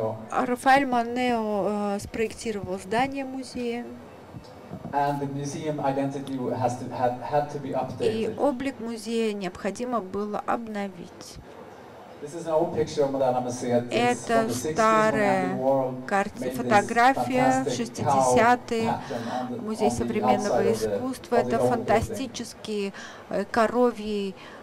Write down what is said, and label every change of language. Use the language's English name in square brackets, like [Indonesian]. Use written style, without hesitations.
[Russian] Рафаэль Монео спроектировал здание музея. [English] And the museum identity has to had to be updated. [Russian] И облик музея необходимо было обновить. [English] This is an old picture of Madame Massey. [Russian] Это старая фотография 60-е. Музей современного искусства. Это фантастические коровьи